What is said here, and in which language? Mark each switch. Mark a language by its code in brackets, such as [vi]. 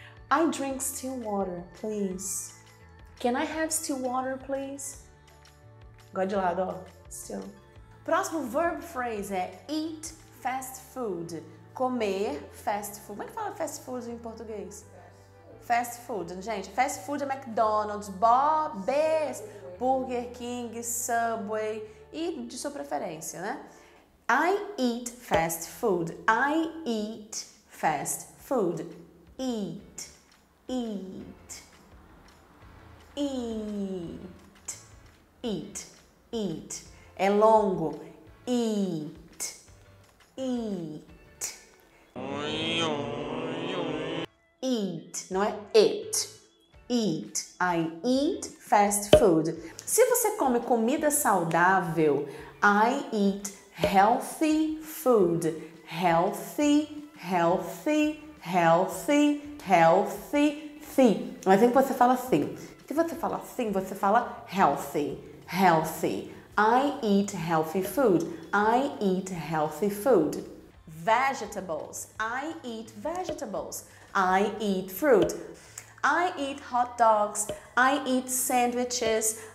[en] I drink still water, please. Can I have still water, please? [pt] Agora de lado, ó. [en] Still. [pt] Próximo verb phrase é eat fast food. Comer fast food. Como é que fala fast food em português? Fast food. Fast food. Gente, fast food é McDonald's, Bob's, Burger King, Subway e de sua preferência, né? [en] I eat fast food. I eat fast food. Eat. Eat. Eat. Eat. Eat. [pt] É longo. [en] Eat. Eat. Eat. [pt] Não é it. [en] Eat. I eat fast food. [pt] Se você come comida saudável, [en] I eat healthy food. Healthy, healthy, healthy, healthy, thi. [pt] Mas tem que você fala assim. Se você fala assim, você fala healthy, healthy. [en] I eat healthy food. I eat healthy food. Vegetables. I eat vegetables. I eat fruit. I eat hot dogs. I eat sandwiches.